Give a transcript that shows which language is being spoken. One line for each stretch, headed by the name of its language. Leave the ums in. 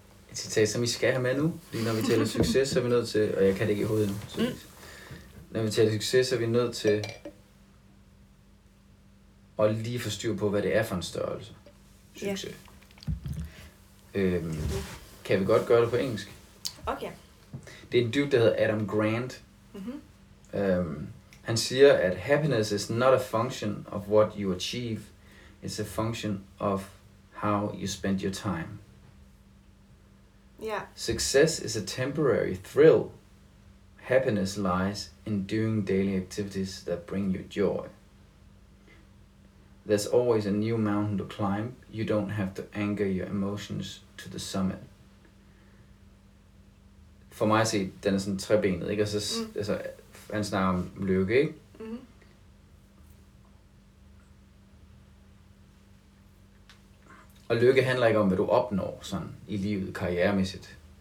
Danish: et citat, som I skal have med nu. Fordi når vi taler succes, så er vi nødt til... Og jeg kan det ikke i hovedet nu. Så Mm. Når vi taler succes, så er vi nødt til at lige få styr på, hvad det er for en størrelse. Ja. Succes. Øhm, kan vi godt gøre det på engelsk? Okay. Det er en dude, der hedder Adam Grant. Mm-hmm. Øhm, han siger, at
English: happiness is not a function of what you achieve. It's a function of how you spend your time.
Danish: Ja.
English: Success is a temporary thrill. Happiness lies in doing daily activities that bring you joy. There's always a new mountain to climb. You don't have to anchor your emotions to the summit.
Danish: For mig at se, den er sådan trebenet, ikke? Og så, s- Mm. altså, han snakker om lykke, ikke? Mm-hmm. Og lykke handler ikke om, hvad du opnår sådan i livet, karrieremæssigt.